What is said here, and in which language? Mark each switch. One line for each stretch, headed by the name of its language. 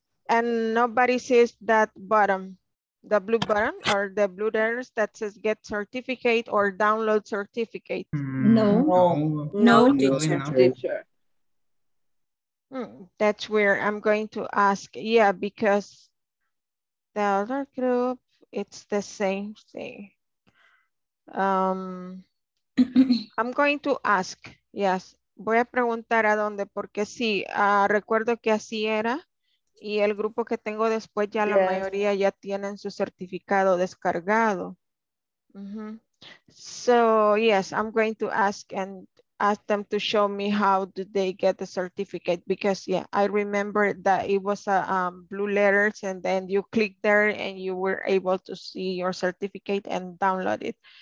English: And nobody says that bottom, the blue button or the blue letters that says get certificate or download certificate. No, teacher. That's where I'm going to ask. Yeah, because the other group, it's the same thing. I'm going to ask, yes.
Spanish: Voy a preguntar a dónde, porque sí, recuerdo que así era. Y el grupo que tengo después ya la mayoría ya tienen su certificado descargado.
English: So yes, I'm going to ask and ask them to show me how do they get the certificate, because I remember that it was a blue letters and then you click there and you were able to see your certificate and download it.